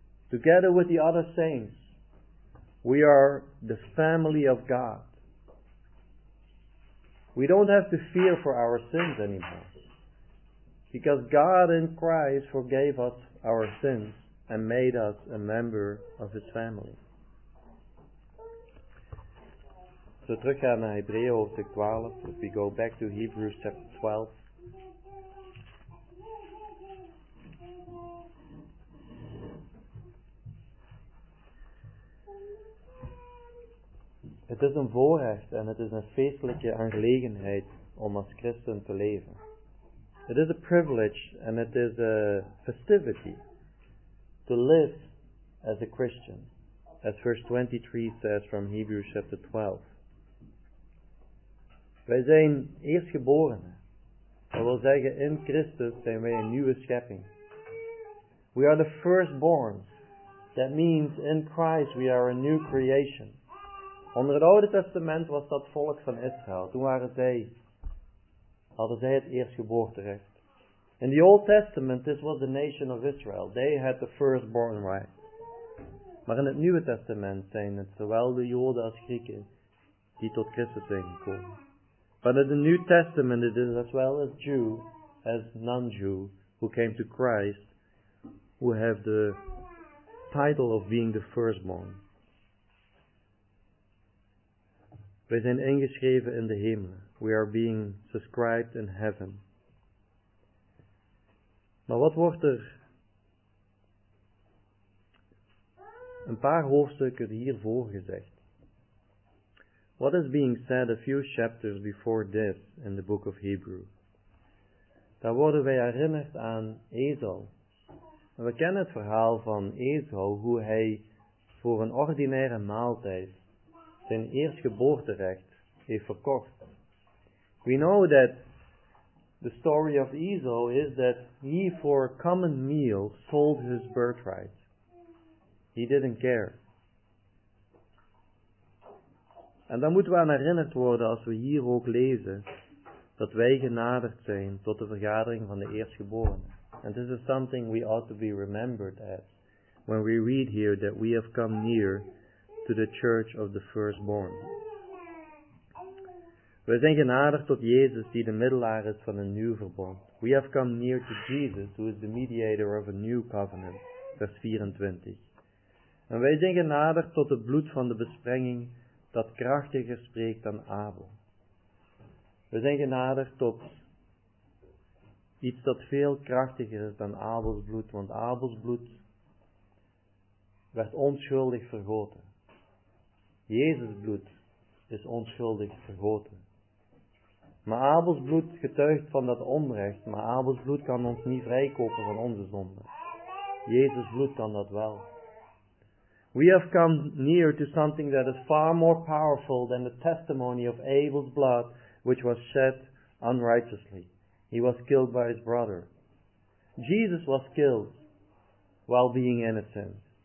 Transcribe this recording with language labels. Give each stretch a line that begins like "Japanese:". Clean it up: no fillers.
English: Together with the other saints, we are the family of God. We don't have to fear for our sins anymore. Because God in Christ forgave us our sins and made us a member of His family.
Dutch: We teruggaan naar Hebreeën hoofdstuk 12.
English: If we go back to Hebrews chapter 12.
Dutch: Het is een voorrecht en het is een feestelijke aangelegenheid om als christen te leven.
English: It is a privilege and it is a festivity to live as a Christian. As verse 23 says from Hebrews chapter 12.
Dutch: Wij zijn eerstgeborenen. Dat wil zeggen, in Christus zijn wij een nieuwe schepping.
English: We are the firstborn. That means in Christ we are a new creation.
Dutch: Onder het Oude Testament was dat volk van Israël. Toen waren zij, hadden zij het eerstgeboorterecht.
English: In the Old Testament, this was the nation of Israel. They had the firstborn right.
Dutch: Maar in het Nieuwe Testament zijn het zowel de Joden als Grieken die tot Christus zijn gekomen.
English: But in the New Testament it is as well as Jew, as non-Jew, who came to Christ, who have the title of being the firstborn.
Dutch: Wij zijn ingeschreven in de hemelen.
English: We are being subscribed in heaven.
Dutch: Maar wat wordt er een paar hoofdstukken hiervoor gezegd?
English: What is being said a few chapters before this in the book of Hebrews?
Dutch: Daar worden wij herinnerd aan Esau. We kennen het verhaal van Esau, hoe hij voor een ordinaire maaltijd zijn eerstgeboorterecht heeft verkocht.
English: We know that the story of Esau is that he for a common meal sold his birthright. He didn't care.
Dutch: En dan moeten we aan herinnerd worden als we hier ook lezen dat wij genaderd zijn tot de vergadering van de eerstgeborenen.
English: And this is something we ought to be remembered as when we read here that we have come near to the church of the firstborn.
Dutch: We zijn genaderd tot Jezus die de middelaar is van een nieuw verbond.
English: We have come near to Jesus who is the mediator of a new covenant.
Dutch: Vers 24. En wij zijn genaderd tot het bloed van de besprenging dat krachtiger spreekt dan Abel. We zijn genaderd tot iets dat veel krachtiger is dan Abels bloed, want Abels bloed werd onschuldig vergoten. Jezus bloed is onschuldig vergoten. Maar Abels bloed getuigt van dat onrecht, maar Abels bloed kan ons niet vrijkopen van onze zonden. Jezus bloed kan dat wel.
English: We have come near to something that is far more powerful than the testimony of Abel's blood, which was shed unrighteously. He was killed by his brother. Jesus was killed while being innocent.